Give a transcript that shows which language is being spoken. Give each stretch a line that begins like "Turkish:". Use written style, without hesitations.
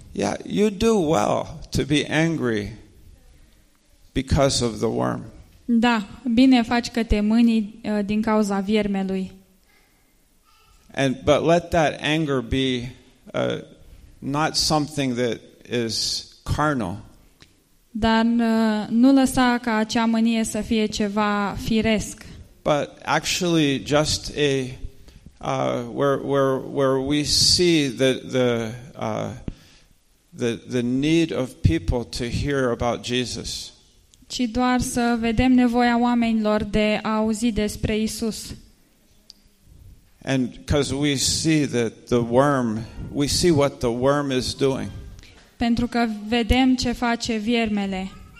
English: Yeah, you do well to be angry because of the worm.
Romanian: Da, bine faci că te mâni din cauza viermelui.
English: And but let that anger be not something that is carnal.
Romanian: Dar nu lăsa ca acea mânie să fie ceva firesc.
English: But actually just a where we see the need of people to hear about Jesus.
Romanian: Ci doar să vedem nevoia oamenilor de a auzi despre Isus.
English: And because we see that the worm, we see what the worm is doing.
Romanian: Pentru că vedem ce face viermele.